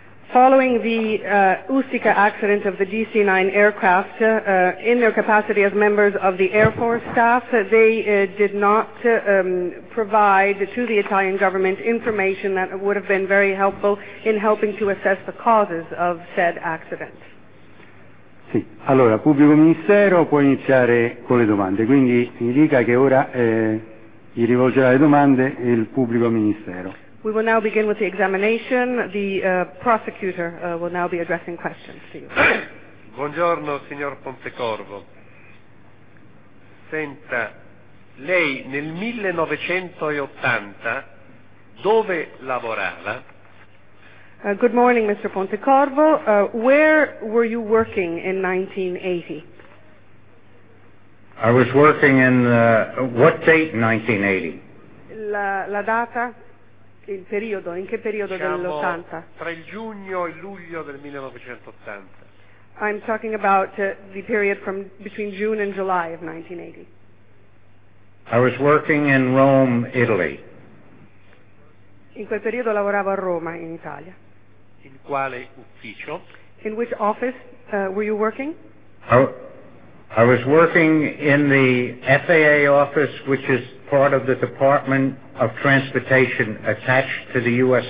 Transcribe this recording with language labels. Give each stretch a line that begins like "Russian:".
English: Following the Ustica accident of the DC-9 aircraft, in their capacity as members of the Air Force staff, they did not provide to the Italian government information that would have been very helpful in helping to assess the causes of said accident.
Italian: Sì, allora, pubblico ministero può iniziare con le domande, quindi mi dica che ora gli rivolgerà le domande il pubblico ministero.
English: We will now begin with the examination. The prosecutor will now be addressing questions to you.
Italian: Buongiorno, signor Pontecorvo. Senta, lei nel 1980 dove lavorava?
English: Good morning, Mr. Pontecorvo. Where were you working in 1980? I was working in what date 1980?
Italian: La data? Il periodo, in che periodo, diciamo, dell'80? Tra il giugno e luglio del 1980.
English: I'm talking about the period from between June and July of 1980. I was working in Rome, Italy.
Italian: In quel periodo lavoravo a Roma, in Italia. In quale ufficio?
English: In which office were you working? I was working in the FAA office, which is part of the Department of Transportation attached to the U.S.